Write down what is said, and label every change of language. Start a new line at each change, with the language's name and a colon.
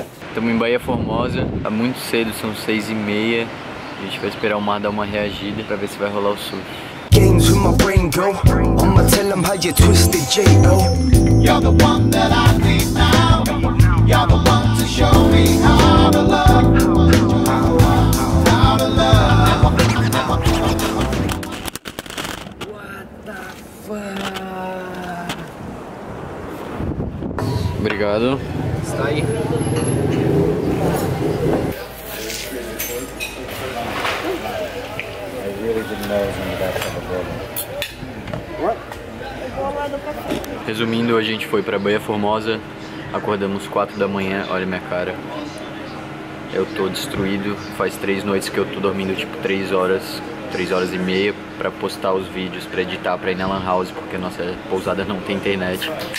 Portuguese: Estamos em Bahia Formosa, tá muito cedo, são 6:30. A gente vai esperar o mar dar uma reagida pra ver se vai rolar o surf.
English: Games with my brain, girl. I'ma tell them how you twisted, J-O. You're the one that I need now. You're the one to show me how to love.
Portuguese: Obrigado. Está aí.
English: I really didn't know when that type of problem.
Portuguese: Resumindo, a gente foi pra Bahia Formosa, acordamos 4 da manhã, olha minha cara. Eu tô destruído, faz 3 noites que eu tô dormindo tipo 3 horas e meia pra postar os vídeos, pra editar, pra ir na Lan House, porque nossa pousada não tem internet.